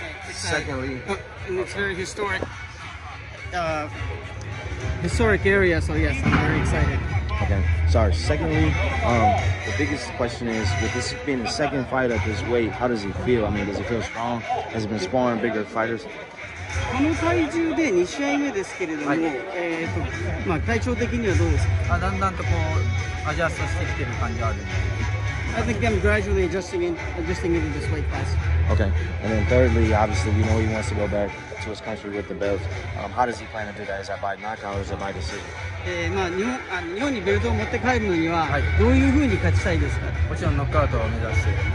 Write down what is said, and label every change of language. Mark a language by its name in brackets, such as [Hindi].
[English] Secondly, it's very historic area, so yes, I'm very excited. Okay, sorry. Secondly, the biggest question is, with this being the second fight at this weight, how does he feel? I mean, does he feel strong? Has he been sparring bigger fighters? [Japanese] この体重で2試合目ですけれども、はい、まあ、体調的にはどうですか？だんだんとこうアジャストしてきてる感じはあるんで。 [English] I think I'm gradually adjusting into this weight class. Okay, and then thirdly, obviously, we know he wants to go back to his country with the belt. How does he plan to do that? Is that by knockout or is that by decision? [Japanese] まあ、日本にベルトを持って帰るのには、はい、どういうふうに勝ちたいですか？もちろんノックアウトを目指して。